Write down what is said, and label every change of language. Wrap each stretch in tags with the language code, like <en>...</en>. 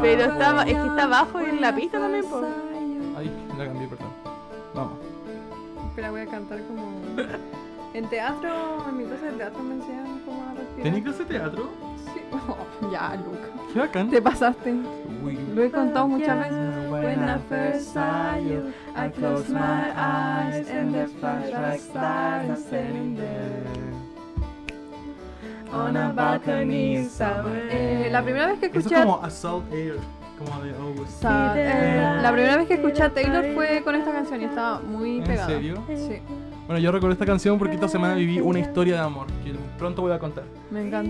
<es>Pero está, es que está abajo en la pista también, po. Ay, la cambié, perdón. Vamos. Espera, voy a cantar como... En teatro, en mi clase de teatro me enseñan cómo respirar. ¿Tenés clase de teatro? Sí. Oh, ya, Luca. Qué bacán. Te pasaste. Lo he contado muchas veces.</es> <en>When I first saw you, I closed my eyes and the flashback started sitting there. On a balcony somewhere.</en> <es>La primera vez que escuché... Eso es como Assault Air. Como de</es> <en>August.</en> <es>La primera vez que escuché a Taylor fue con esta canción y estaba muy pegada. ¿En serio? Sí. Bueno, yo recuerdo esta canción porque esta semana viví una historia de amor que pronto voy a contar. Me encantó.</es>